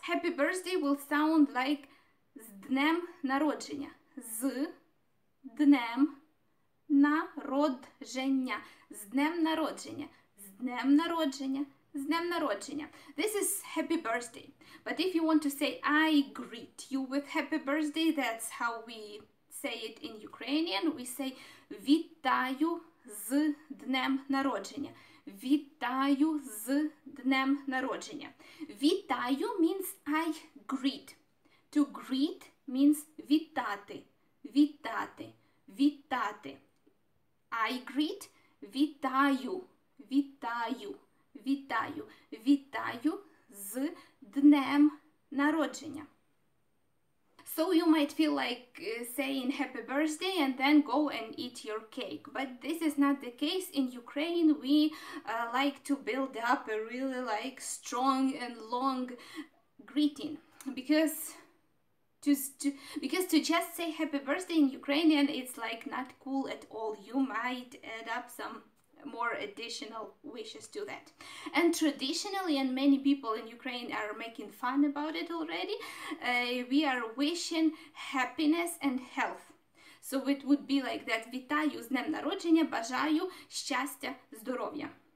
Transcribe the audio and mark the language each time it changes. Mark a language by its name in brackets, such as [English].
[English] Happy birthday will sound like [Ukrainian] З Днем народження, З Днем народження, З Днем народження, З Днем народження. З Днем народження. [English] This is happy birthday. But if you want to say I greet you with happy birthday, that's how we say it in Ukrainian. We say [Ukrainian] Вітаю з Днем народження. Вітаю з Днем народження. [English] Вітаю means I greet. To greet means вітати. Вітати. Вітати. I greet. [Ukrainian] Вітаю. Вітаю. Вітаю, вітаю з днем народження. [English] So you might feel like saying happy birthday and then go and eat your cake. But this is not the case. In Ukraine, we like to build up a really like strong and long greeting. Because to just say happy birthday in Ukrainian, it's like not cool at all. You might add up some more additional wishes to that. And traditionally, and many people in Ukraine are making fun about it already, we are wishing happiness and health. So it would be like that. [Ukrainian] Вітаю з днем народження, бажаю щастя, здоров'я.